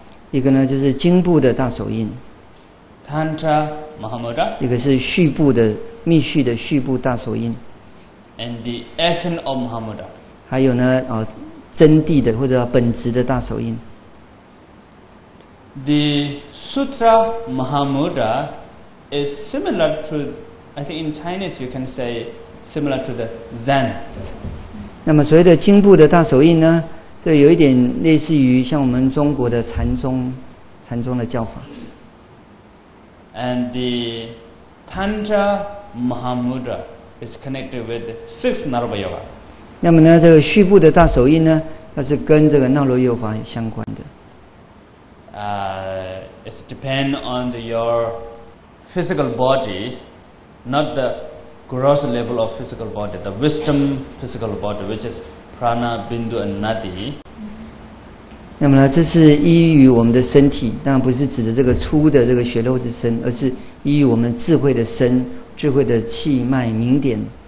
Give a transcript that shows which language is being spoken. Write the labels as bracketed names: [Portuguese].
[Chinese] 一个呢就是经部的大手印 [English] Tantra Mahamudra， [Chinese] 一个是续部的密续的续部大手印 [English] And the essence of Mahamudra， [Chinese] 还有呢、哦、真谛的或者本质的大手印。 [English] The Sutra Mahamudra is similar to I think in Chinese you can say similar to the Zen。 [Chinese] 那么所谓的经部的大手印呢，这有一点类似于像我们中国的禅宗，禅宗的教法。 [English] And the Tantra Mahamudra is connected with six Narvayoga。 [Chinese] 那么呢，这个续部的大手印呢，它是跟这个纳罗尤法相关的。 [English] It depend on your physical body, not the gross level of physical body, the wisdom physical body, which is prana, bindu, and nadi。 [Chinese] 那么呢，这是依于我们的身体，当然不是指的这个粗的这个血肉之身，而是依于我们智慧的身、智慧的气脉、明点。